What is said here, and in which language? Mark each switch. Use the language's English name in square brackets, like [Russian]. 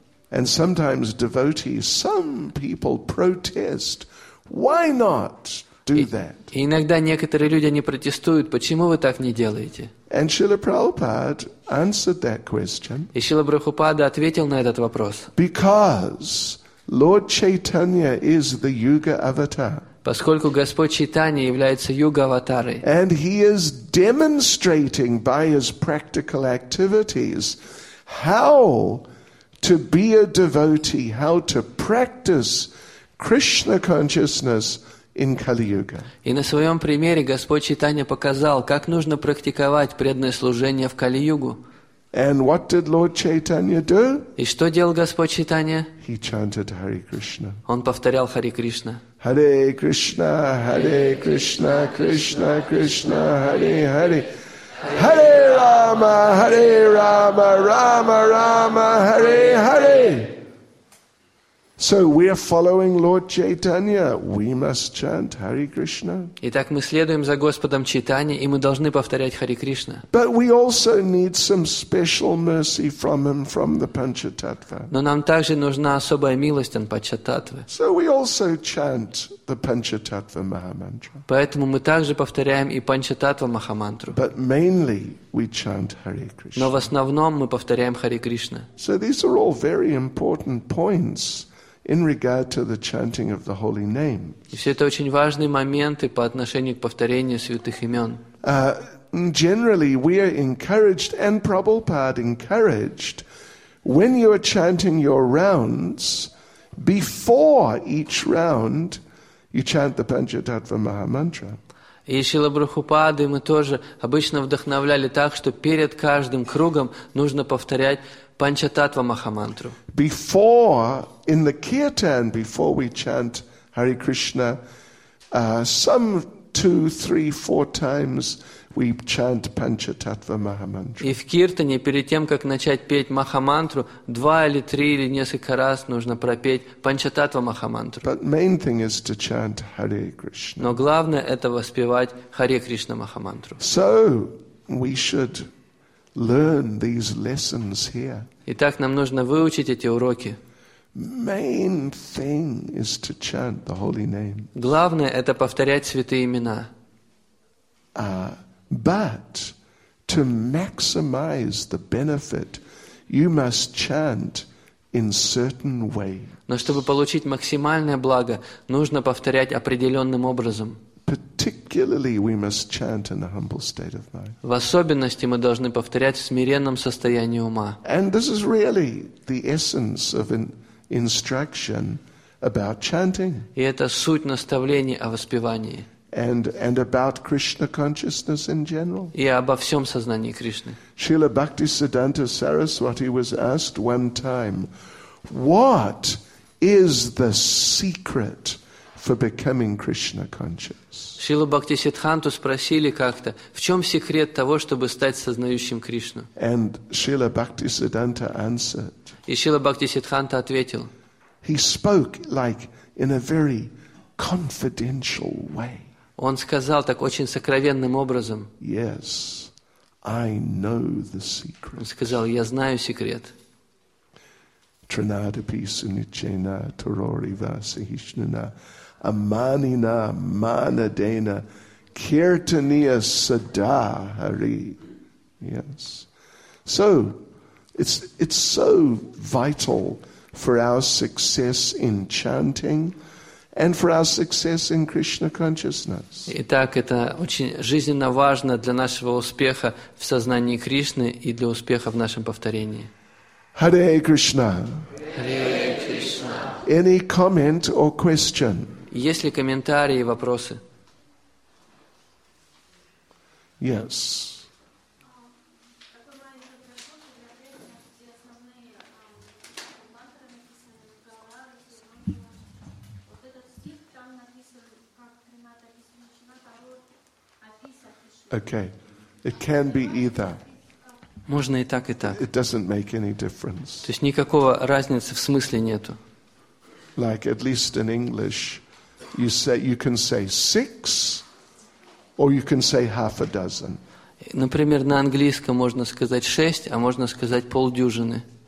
[English] And sometimes devotees, some people protest. Why not? [Russian] И иногда некоторые люди не протестуют, почему вы так не делаете? [English] And Srila Prabhupada answered that question. [Russian] И Шрила Прабхупада ответил на этот вопрос. [English] Because Lord Chaitanya is the Yuga Avatar. [Russian] Поскольку Господь Чайтанья является Юга Аватарой. [English] And he is demonstrating by his practical activities how to be a devotee, how to practice Krishna consciousness. In Kali Yuga. [Russian] И на своем примере Господь Чайтанья показал, как нужно практиковать преданное служение в Кали-югу. [English] And what did Lord Chaitanya do? [Russian] И что делал Господь Чайтанья? [English] He chanted Hare Krishna. [Russian] Он повторял Hare Krishna. [Sanskrit] Hare Krishna, Hare Krishna, Krishna Krishna, Hare Hare. Hare Rama, Hare Rama, Rama Rama, Hare Hare. [English] So we are following Lord Chaitanya. We must chant Hare Krishna. [Russian] Итак, мы следуем за Господом Чайтанья, и мы должны повторять Hare Krishna. [English] But we also need some special mercy from him, from the Panchatattva. [Russian] Но нам также нужна особая милость от Панчататвы. [English] So we also chant the Panchatattva Mahamantra. [Russian] Поэтому мы также повторяем и Панчататва Махамантру. [English] But mainly we chant Hare Krishna. [Russian] Но в основном мы повторяем Hare Krishna. [English] So these are all very important points. In regard to the chanting of the holy name. [Russian] И все это очень важные моменты по отношению к повторению святых имен. [English] Generally, we are encouraged, and Prabhupada encouraged, when you are chanting your rounds, before each round, you chant the Panchatattva Mahamantra. [Russian] И Шрила Прабхупада, и мы тоже обычно вдохновляли так, что перед каждым кругом нужно повторять Панчататва Махамантру. [English] Before, in the Kirtan, before we chant Hare Krishna, some 2-3-4 times we chant Panchatattva Mahamantra. [Russian] И в Киртане, перед тем, как начать петь Махамантру, 2 или 3 или несколько раз нужно пропеть Панчататва Махамантру. [English] But main thing is to chant Hare Krishna. [Russian] Но главное – это воспевать Hare Krishna Махамантру. [English] So, we should learn these lessons here. [Russian] Итак, нам нужно выучить эти уроки. [English] Main thing is to chant the holy name. [Russian] Главное это повторять святые имена. [English] But to maximize the benefit, you must chant in certain ways. [Russian] Но чтобы получить максимальное благо, нужно повторять определенным образом. [English] Particularly, we must chant in a humble state of mind. [Russian] В особенности мы должны повторять в смиренном состоянии ума. [English] And this is really the essence of an instruction about chanting. [Russian] И это суть наставления о воспевании. [English] And about Krishna consciousness in general. [Russian] И обо всем сознании Кришны. [English] Srila Bhaktisiddhanta Saraswati was asked one time, "What is the secret for becoming Krishna conscious?" [Russian] Шрилу Бхактисиддханту спросили как-то, в чем секрет того, чтобы стать сознающим Кришну? [English] And Srila Bhaktisiddhanta answered. [Russian] И Шрила Бхактисиддханта ответил. [English] He spoke like in a very confidential way. [Russian] Он сказал так очень сокровенным образом. [English] Yes, I know the secret. [Russian] Он сказал, я знаю секрет. [Sanskrit] Trinada pisunichena torori vasihishnana amanina manadena kirtaniya sada hari. [English] Yes. So, it's so vital for our success in chanting and for our success in Krishna consciousness. [Russian] Итак, это очень жизненно важно для нашего успеха в сознании Кришны и для успеха в нашем повторении. [Sanskrit] Hare Krishna. Hare Krishna. [English] Any comment or question? [Russian] Есть ли комментарии, вопросы? [English] Yes. Okay, it can be either. [Russian] Можно и так, и так. [English] It doesn't make any difference. [Russian] То есть никакого разницы в смысле нету. [English] Like at least in English, you can say six, or you can say half a dozen. [Russian] Например, на английском можно сказать шесть, а можно сказать полдюжины.